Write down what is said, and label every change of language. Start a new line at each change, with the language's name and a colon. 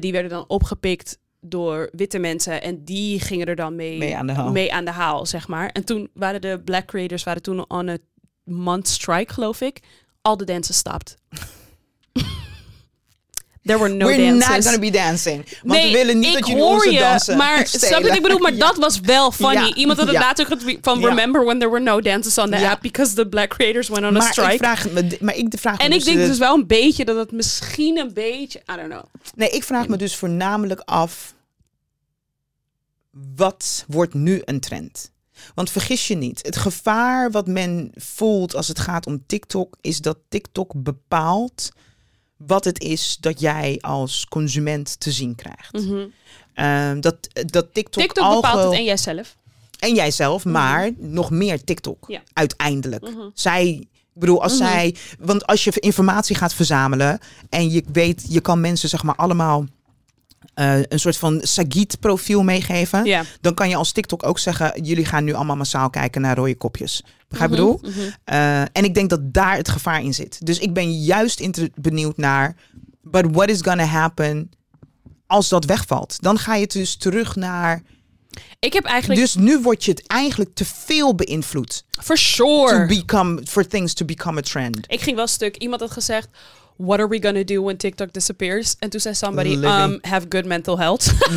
Dutch: Die werden dan opgepikt door witte mensen en die gingen er dan mee aan de haal, zeg maar. En toen waren de black creators toen
English: on a month strike,
Dutch: geloof ik. Al de dansen stopt.
English: There were no we're dances. We're not gonna be dancing.
Dutch: Want nee, we willen niet dat jullie onze dansen. Maar snap je wat ik bedoel? Maar dat was wel funny. Ja. Iemand had het laatst ook van
English: remember when there were no dances on the app because the black creators went on a strike.
Dutch: Ik vraag me dus wel een beetje dat het misschien een beetje,
English: I don't know.
Dutch: Nee, ik vraag me dus voornamelijk af, wat wordt nu een trend? Want vergis je niet, het gevaar wat men voelt als het gaat om TikTok is dat TikTok bepaalt wat het is dat jij als consument te zien krijgt. Mm-hmm. Dat TikTok, bepaalt het en jijzelf. En jijzelf, maar nog meer TikTok. Ja. Uiteindelijk. Mm-hmm. Want als je informatie gaat verzamelen en je weet, je kan mensen zeg maar allemaal een soort van Sagitt profiel meegeven, dan kan je als TikTok ook zeggen, jullie gaan nu allemaal massaal kijken naar rode kopjes. Begrijp je bedoel? En ik denk dat daar het gevaar in zit. Dus ik ben juist benieuwd naar,
English: but what is gonna happen
Dutch: als dat wegvalt? Dan ga je dus terug naar, ik heb eigenlijk, dus nu word je het eigenlijk te veel beïnvloed.
English: For sure. For things to become a trend.
Dutch: Ik ging wel stuk. Iemand had gezegd,
English: what are we gonna do when TikTok disappears? And to say somebody, have good mental health.